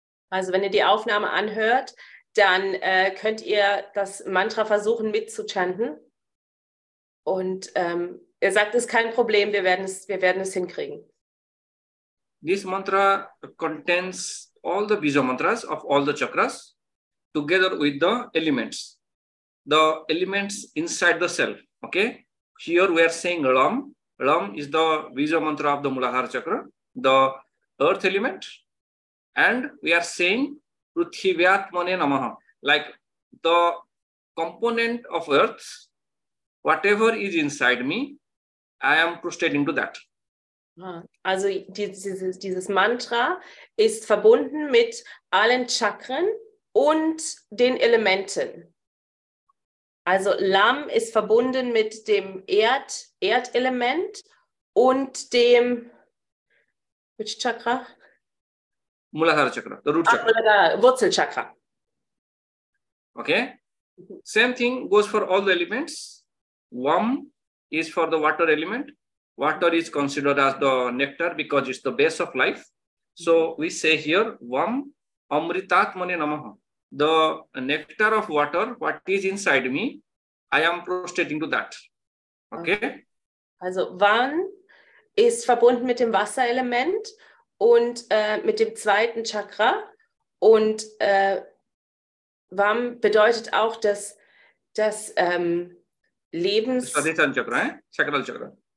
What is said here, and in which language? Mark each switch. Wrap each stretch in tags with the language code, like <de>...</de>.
<de>Also wenn ihr die Aufnahme anhört, dann könnt ihr das Mantra versuchen mitzuchanten. Und ihr sagt, es ist kein Problem, wir werden es hinkriegen.</de> <en>This mantra contains all the Bija mantras of all the chakras together with the elements. The elements inside the self, okay? Here we are saying Lam. Lam is the Bija mantra of the Mulahara chakra, the earth element. And we are saying Prithivyatmane Namaha. Like the component of earth, whatever is inside me, I am prostrating to that.</en> <de>Also dieses Mantra ist verbunden mit allen Chakren und den Elementen. Also Lam ist verbunden mit dem Erdelement und dem,</de> <en>which Chakra? Mulahara Chakra, the root chakra.</en> <de>Wurzelchakra.</de> <en>Okay. Same thing goes for all the elements. Vam is for the water element. Water is considered as the nectar because it's the base of life. So we say here, Vam Amritatmane Namaha. The nectar of water, what is inside me, I am prostrating to that. Okay?</en> <de>Also Vam ist verbunden mit dem Wasserelement und mit dem zweiten Chakra. Und Vam bedeutet auch, dass das Lebens... Swadhisthana Chakra, Sakral Chakra.</de>